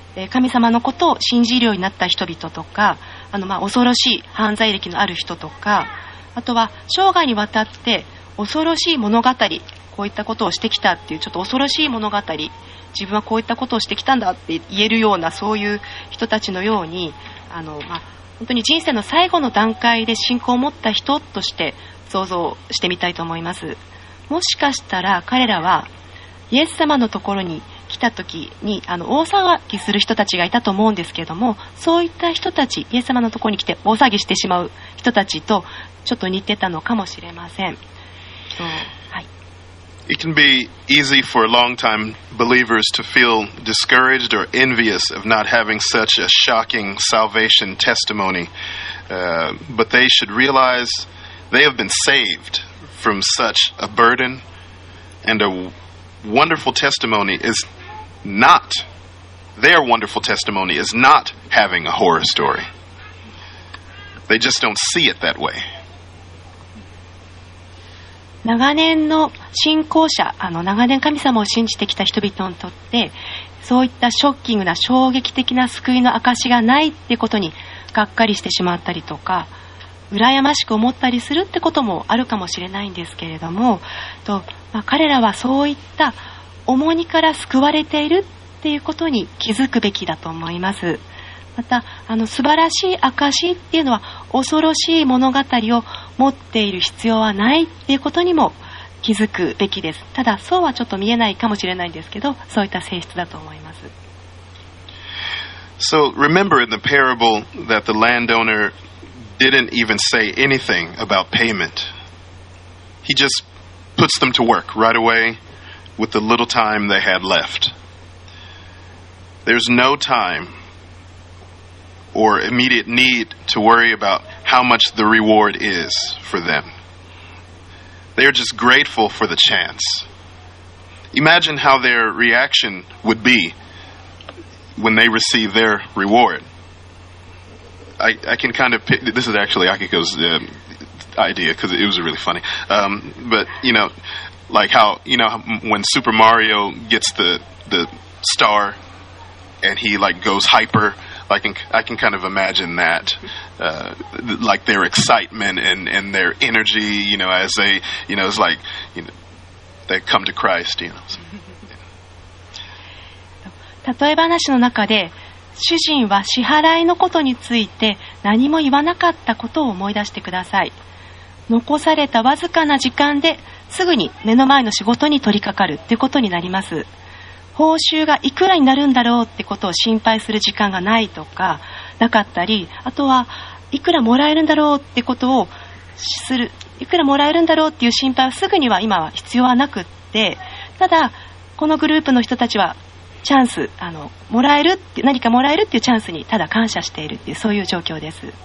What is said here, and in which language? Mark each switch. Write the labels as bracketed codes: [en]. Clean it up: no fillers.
[ja] 神様のことを信じるようになった人々とか、恐ろしい犯罪歴のある人とか、あとは生涯にわたって恐ろしい物語、こういったことをしてきたっていう、ちょっと恐ろしい物語、自分はこういったことをしてきたんだって言えるような、そういう人たちのように、本当に人生の最後の段階で信仰を持った人として想像してみたいと思います。もしかしたら彼らはイエス様のところに来た時に大騒ぎする人たちがいたと思うんですけれども、そういった人たち、イエス様のところに来て大騒ぎしてしまう人たちとちょっと似てたのかもしれません。そう、はい。 [en] It can be easy for long-time believers to feel discouraged or envious of not having such a shocking salvation testimony. But they should realize they have been saved from such a burden, and a wonderful testimony is not, their wonderful testimony is not having a horror story. They just don't see it that way. [ja] 長年の信仰者、長年神様を信じてきた人々にとって、そういったショッキングな衝撃的な救いの証がないってことにがっかりしてしまったりとか、羨ましく思ったりするってこともあるかもしれないんですけれども、と、まあ、彼らはそういった重荷から救われているっていうことに気づくべきだと思います。また素晴らしい証っていうのは恐ろしい物語を持っている必要はないっていうことにも気づくべきです。ただそうはちょっと見えないかもしれないんですけど、そういった性質だと思います。 [en] So remember in the parable that the landowner didn't even say anything about payment. He just puts them to work right away with the little time they had left. There's no timeor immediate need to worry about how much the reward is for them. They are just grateful for the chance. Imagine how their reaction would be when they receive their reward. I can kind of pick, this is actually Akiko's idea because it was really funny. But, you know, like how, you know, when Super Mario gets the star and he like goes hyper,I can kind of imagine that, like their excitement and their energy, you know, as they, you know, it's like, you know, they come to Christ, you know. [ja] 例え話の中で、主人は支払いのことについて何も言わなかったことを思い出してください。残されたわずかな時間ですぐに目の前の仕事に取り掛かるということになります。報酬がいくらになるんだろうってことを心配する時間がないとかなかったり、あとはいくらもらえるんだろうってことをする、いくらもらえるんだろうっていう心配はすぐには今は必要はなくって、ただこのグループの人たちはチャンス、もらえるって、何かもらえるっていうチャンスにただ感謝しているっていう、そういう状況です。